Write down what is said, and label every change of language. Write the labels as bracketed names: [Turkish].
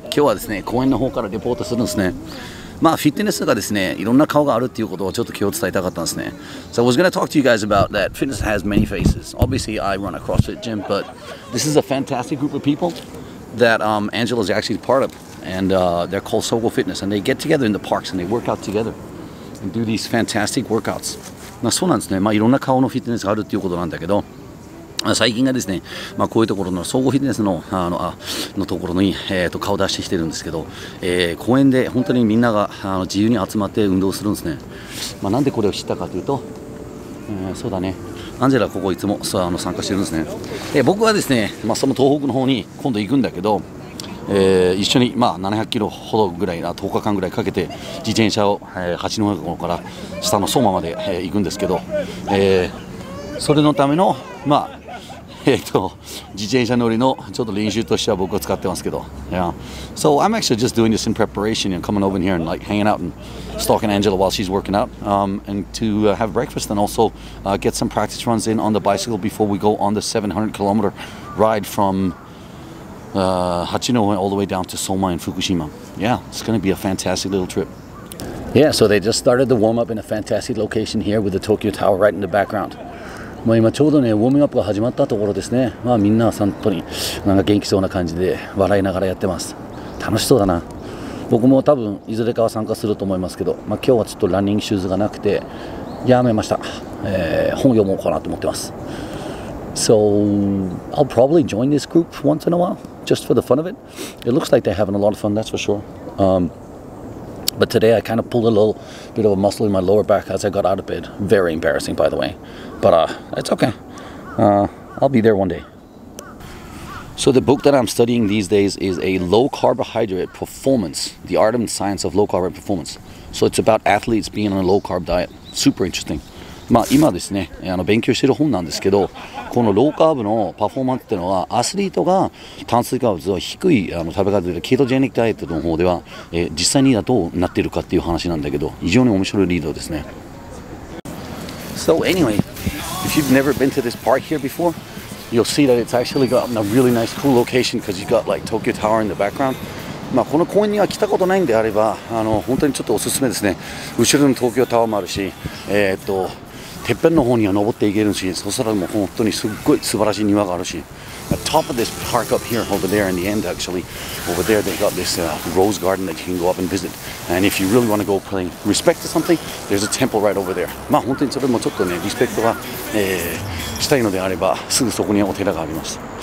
[Japanese] 今日はですね、公園の方からレポートするんですね。まあ、フィットネスがですね、いろんな顔があるっていうことをちょっと今日伝えたかったんですね。 [English] So, I was going to talk to you guys about that fitness has many faces. Obviously, I run a CrossFit gym, but this is a fantastic group of people that Angela is actually part of. And they're called SOGO Fitness, and they get together in the parks and they work out together and do these fantastic workouts. [Japanese] まあ、そうなんですね。まあ、いろんな顔のフィットネスがあるっていうことなんだけど、まあ、最近がですね、まあ、こういうところの総合フィットネス のところに、顔出してきてるんですけど、公園で本当にみんなが自由に集まって運動するんですね。まあ、なんでこれを知ったかというと、そうだね、アンジェラここいつも参加してるんですね。僕はですね、まあ、その東北の方に今度行くんだけど、一緒に、まあ、700キロほどぐらい、10日間ぐらいかけて自転車を、八戸港から下の相馬まで、行くんですけど、それのための、まあ自転車乗りのちょっと練習としては僕は使ってますけど、yeah. [English] So I'm actually just doing this in preparation and coming over here and like hanging out and stalking Angela while she's working out、and to、have breakfast and also、get some practice runs in on the bicycle before we go on the 700 kilometer ride fromHachinohe all the way down to Soma in Fukushima. Yeah, it's going to be a fantastic little trip. Yeah, so they just started the warm-up in a fantastic location here with the Tokyo Tower right in the background. [Japanese] まあ今ちょうどね、ウォーミングアップが始まったところですね。まあみんな散歩に、なんか元気そうな感じで笑いながらやってます。楽しそうだな。僕も多分いずれかは参加すると思いますけど、まあ今日はちょっとランニングシューズがなくて、やめました。本読もうかなと思ってます。 [English] So, I'll probably join this group once in a while, just for the fun of it. It looks like they're having a lot of fun, that's for sure. But today I kind of pulled a little bit of a muscle in my lower back as I got out of bed. Very embarrassing, by the way. But it's okay. I'll be there one day. So the book that I'm studying these days is a low carbohydrate performance, the art and science of low carbohydrate performance. So it's about athletes being on a low carb diet. Super interesting. [Japanese] まあ、今ですね、勉強している本なんですけど、このローカーブのパフォーマンスっていうのは、アスリートが炭水化物を低い食べ方で、ケトジェニックダイエットの方では、実際にどうなっているかっていう話なんだけど、非常に面白いリードですね。 [English] So anyway, if you've never been to this park here before, you'll see that it's actually got a really nice cool location because you've got like Tokyo Tower in the background. [Japanese] まあ、この公園には来たことないんであれば本当にちょっとおすすめですね。後ろの東京タワーもあるし、てっぺんの方には登っていけるし、そしたらもう本当にすっごい素晴らしい庭があるし、 [English] At top of this park up here over there [Japanese] in the end actually over there they got this、rose garden that you can go up and visit and if you really want to go pay respect to something there's a temple right over there、まあ、本当にそれもちょっとねリスペクトが、したいのであればすぐそこにお寺があります。